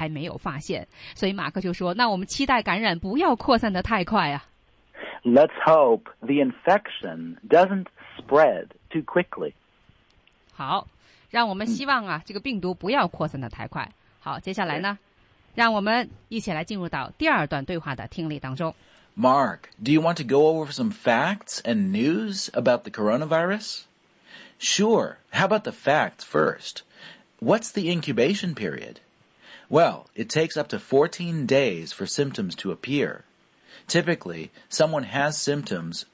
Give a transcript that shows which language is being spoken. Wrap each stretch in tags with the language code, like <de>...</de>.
<zh>还没有发现所以马克就说那我们期待感染不要扩散得太快啊</zh> <en>Let's hope the infection doesn't spread too quickly</en> <zh>好让我们希望啊、这个病毒不要扩散得太快好接下来呢让我们一起来进入到第二段对话的听力当中。</zh> <en>Mark, do you want to go over some facts and news about the coronavirus? Sure, how about the facts first? What's the incubation period? Well, it takes up to 14 days for symptoms to appear. Typically, someone has symptoms</en>